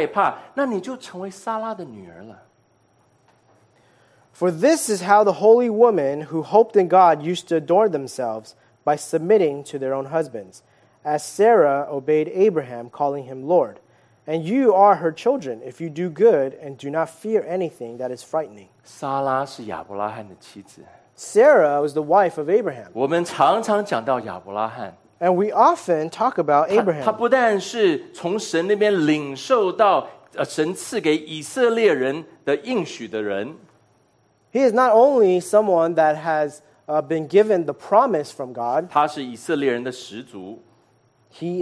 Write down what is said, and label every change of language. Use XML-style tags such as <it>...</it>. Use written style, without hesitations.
<zh>因为古时仰赖神的圣洁的妇人，就是以此为装饰。她顺服自己的丈夫，就如撒拉听从亚伯拉罕称他为主。你们若行善，或者说你们照着这样子去行，这是合神心意的去行，而不是因为恐吓而害怕，那你就成为撒拉的女儿了。</zh> <en>For this is how the holy women who hoped in God used to adorn themselves by submitting to their own husbands, as Sarah obeyed Abraham, calling him Lord. And you are her children if you do good and do not fear anything that is frightening.</en> <zh>撒拉是亚伯拉罕的妻子。Sarah</zh> <en>was the wife of Abraham.</en> <zh>我们常常讲到亚伯拉罕。</zh> <en>And we often talk about Abraham.</en> <zh>他不但是从神那边领受到神赐给以色列人的应许的人。</zh> <en>He is not only someone that has been given the promise from God.</en> <zh>他是以色列人的始祖。</zh> <en>He</en>